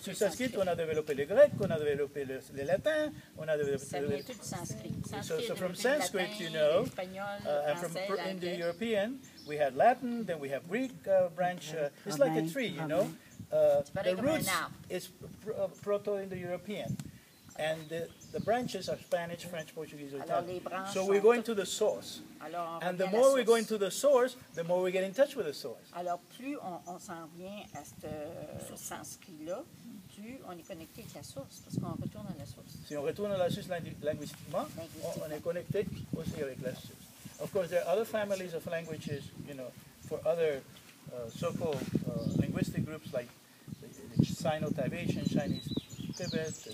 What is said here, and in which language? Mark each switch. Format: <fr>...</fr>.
<fr>sur sanskrit, on a développé le grec, on a développé le latin, on a développé... Ça vient tout du sanskrit.</fr> <en>So from sanskrit, latin, you know,</en> <fr>français,</fr> <en>and from Indo-European, we had Latin, then we have Greek branch. It's like a tree, you know. The roots is proto-Indo-European. And the branches are Spanish, French, Portuguese, Italian. So we're going to the source. And the more we go into the source, the more we get in touch with the source.</en> <fr>Alors, plus on s'en vient à ce sens-là, rendu, on est connecté avec la source, parce qu'on retourne à la source. Si on retourne à la source linguistiquement, on est connecté aussi avec la source.</fr> <en>Of course, there are other families of languages, you know, for other so-called linguistic groups like Sino-Tibetan, Chinese, Tibet.</en>